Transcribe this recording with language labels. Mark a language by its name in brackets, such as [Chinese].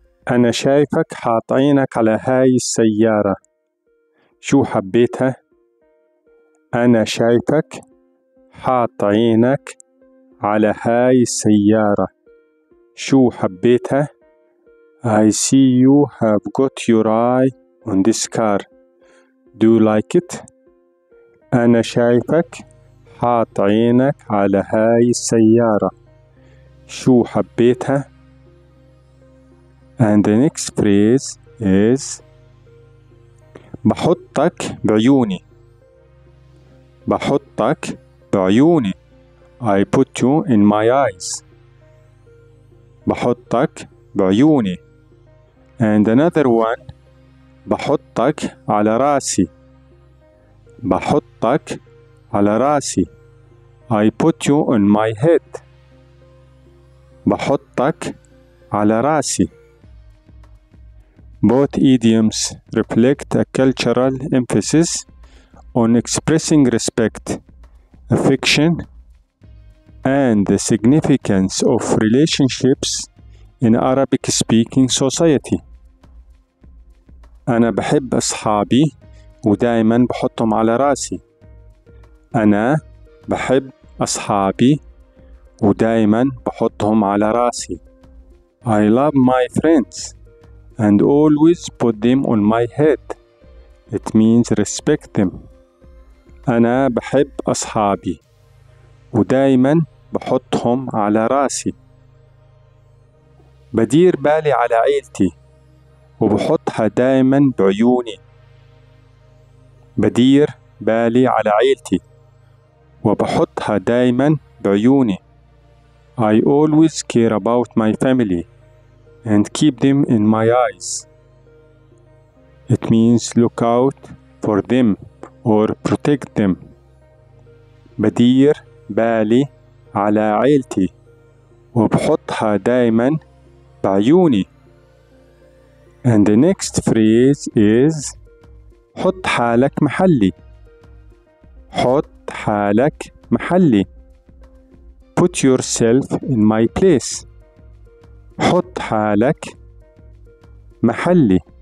[Arabic] أنا شايفك حاط عينك على هاي السيارة. شو حبيتها؟ أنا شايفك حاط عينك على هاي السيارة. شو حبيتها؟ [English] I see you have got your eye on this car. Do you like it? [Arabic] أنا شايفك حاط عينك على هاي السيارة. شو حبيتها؟ [English] And the next phrase is [Arabic] بحطك بعيوني. بحطك بعيوني. [English] I put you in my eyes. [Arabic] بحطك بعيوني. [English] And another one. [Arabic] بحطك على رأسي. بحطك على رأسي. [English] I put you on my head. [Arabic] بحطك على رأسي. [English] Both idioms reflect a cultural emphasis on expressing respect, affection, and the significance of relationships in Arabic-speaking society. [Arabic] أنا بحب أصحابي ودائماً بحطهم على رأسي. أنا بحب أصحابي ودائماً بحطهم على رأسي. [English] I love my friends and always put them on my head. It means respect them. [Arabic] أنا بحب أصحابي ودائما بحطهم على رأسي. بدير بالي على عيلتي وبحطها دائما بعيوني. بدير بالي على عيلتي وبحطها دائما بعيوني. [English] I always care about my family and keep them in my eyes. It means look out for them or protect them. [Arabic] بدير بالي على عيلتي وبحطها دائما بعيوني. [English] And the next phrase is [Arabic] حط حالك محلي. حط حالك محلي. [English] Put yourself in my place. [Arabic] حط حالك محلي.